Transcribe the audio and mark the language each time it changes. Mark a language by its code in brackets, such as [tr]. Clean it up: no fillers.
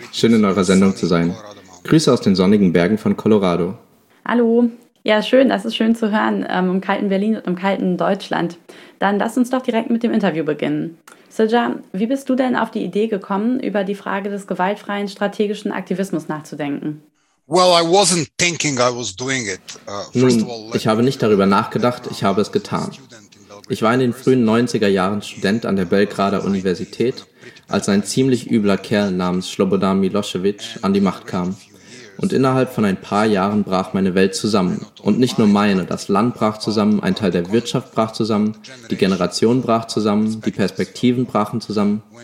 [de] Schön in eurer Sendung zu sein. Grüße aus den sonnigen Bergen von Colorado. Hallo, ja schön, das ist schön zu hören, im kalten Berlin und im kalten Deutschland. Dann lass uns doch direkt mit dem Interview beginnen. Srđan, wie bist du denn auf die Idee gekommen, über die Frage des gewaltfreien strategischen Aktivismus nachzudenken? [en] Well, I wasn't thinking I was doing it. [de] Nun, ich habe nicht darüber nachgedacht, ich habe es getan. Ich war in den frühen 90er Jahren Student an der Belgrader Universität, als ein ziemlich übler Kerl namens Slobodan Milosevic an die Macht kam. Und innerhalb von ein paar Jahren brach meine Welt zusammen. Und nicht nur meine, das Land brach zusammen, ein Teil der Wirtschaft brach zusammen, die Generation brach zusammen, die Perspektiven brachen zusammen.